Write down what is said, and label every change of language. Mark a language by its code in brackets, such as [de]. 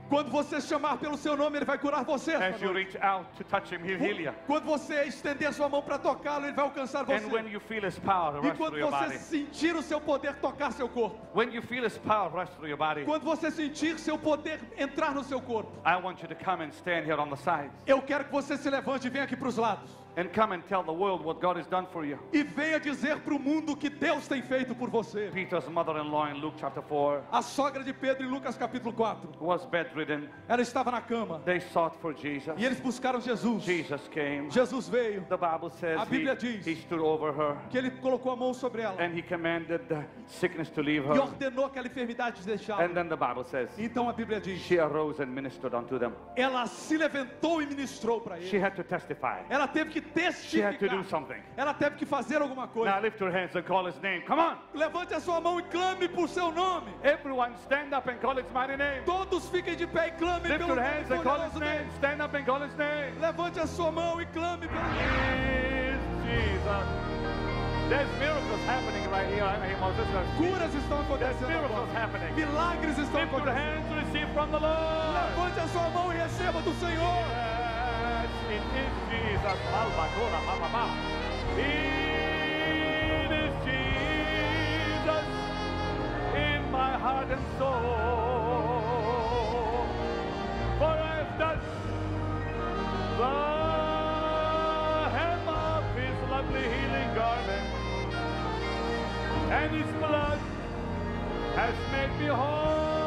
[pt] Quando você chamar pelo seu nome, ele vai curar você. [en] As you reach out to touch him, he'll heal you. [pt] Quando você estender sua mão para tocá-lo, ele vai alcançar você. [en] And when you feel his power rush through your body. [pt] E quando você sentir o seu poder tocar seu corpo. [en] When you feel his power rush through your body. [pt] Quando você sentir seu poder entrar no seu corpo. [en] I want you to come and stand here on the sides. [pt] Eu quero que você se levante e venha aqui para os lados. [en] And come and tell the world what God has done for you. [pt] E venha dizer para o mundo o que Deus tem feito por você. [en] Peter's mother-in-law in Luke chapter 4. [pt] A sogra de Pedro em Lucas capítulo 4. [en] Was bedridden. [pt] Ela estava na cama. [en] They sought for Jesus. [pt] E eles buscaram Jesus. [en] Jesus came. [pt] Jesus veio. [en] The Bible says. [pt] A Bíblia diz. [en] He stood over her. [pt] Que ele colocou a mão sobre ela. [en] And he commanded the sickness to leave her. [pt] E ordenou aquela enfermidade deixá-la. [en] And then the Bible says. [pt] Então a Bíblia diz. [en] She arose and ministered unto them. [pt] Ela se levantou e ministrou para eles. [en] She had to testify. [pt] Ela teve que [en] She had to do something. [pt] Ela teve que fazer alguma coisa. [en] Now lift your hands and call his name. Come on. [pt] Levante a sua mão e clame por seu nome. [en] Everyone stand up and call his mighty name. [pt] Todos fiquem de pé e clame pelo nome. [en] Lift your hands and call his name. Stand up and call his name. [pt] Levante a sua mão e clame pelo nome. [en] Jesus. There's miracles happening right here. I mean, this is [pt] curas estão acontecendo. [en] There's miracles happening. [pt] Milagres estão acontecendo. [en] Lift your hands and receive from the Lord. [pt] Levante a sua mão e receba do Senhor. [en] It is Jesus in my heart and soul. For as does the hem of his lovely healing garment, and his blood has made me whole.